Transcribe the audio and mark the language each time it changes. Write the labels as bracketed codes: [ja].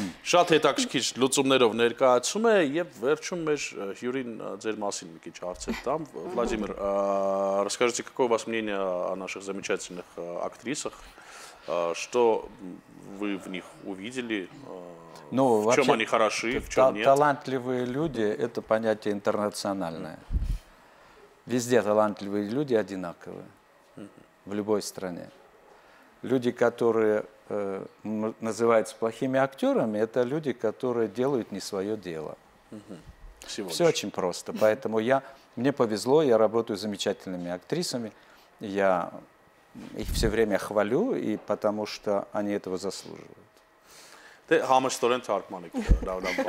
[hy] Շատ հետաքրքիր լուծումներով ներկայացում է և վերջում մեր հյուրին ձեր մասին մի քիչ հարց եմ տամ։ Վլադիմիր, [ru] расскажите, какое ваше мнение о наших замечательных актрисах, что вы в них увидели? Ну, в чем они хороши, в чем нет? Талантливые люди – это понятие интернациональное. Везде талантливые люди одинаковые, в любой стране. Люди, которые называются плохими актерами, это люди, которые делают не свое дело. Все очень просто. Поэтому мне повезло, я работаю с замечательными актрисами. Я их все время хвалю, и потому что они этого заслуживают. [hy] Դե համաշտորեն թարգմանիք լավնան